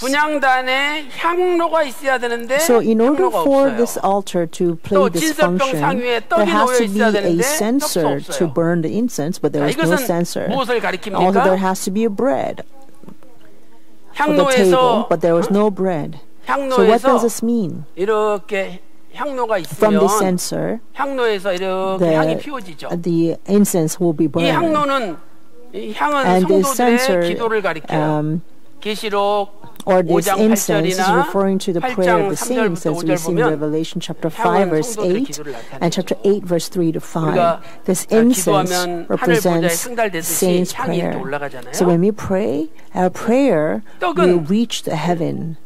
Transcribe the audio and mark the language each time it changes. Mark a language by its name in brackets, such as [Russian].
[English] So in order for this altar to play this function, there has to be a censer to burn the incense, but there is no censer. Also, there has to be a bread for the table, but there was no bread. So what does this mean? [Korean] 이렇게 향로가 있으면 [English] From the censer, [Korean] 향로에서 이렇게 the, 향이 피워지죠. [English] The incense will be burned. [Korean] 이 향로는 이 향은 [English] And [Korean] 성도들의 기도를 가리켜요. 계시록 [English] Or this incense is referring to the prayer of the saints, as we see in Revelation chapter 5, verse 8, and chapter 8, verse 3 to 5. This incense represents saints' prayer. So when we pray, our prayer will reach the heaven.